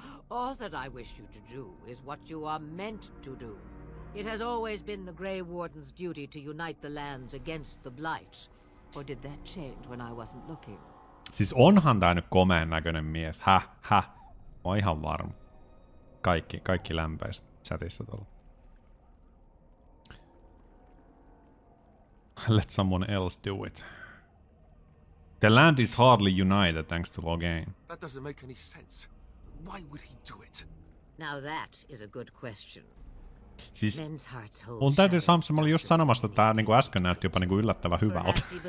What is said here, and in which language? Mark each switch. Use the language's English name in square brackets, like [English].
[English] All that I wish you to do is what you are meant to do. It has always been the Grey Warden's duty to unite the lands against the Blight. Or did that change when I wasn't looking? [Finnish] Siis onhan tää nyt komeen näköinen mies. Häh. Mä oon ihan varma. Kaikki lämpäis chatissa tuolla. [English] Let someone else do it. The land is hardly united thanks to Loghain. That doesn't make any sense. Why would he do it? Now that is a good question. Siis, men's hearts hold. [Finnish] Mun täytyy Samson, mä olin just sanomassa, että tää niinku äsken näytti jopa niinku yllättävän hyvältä.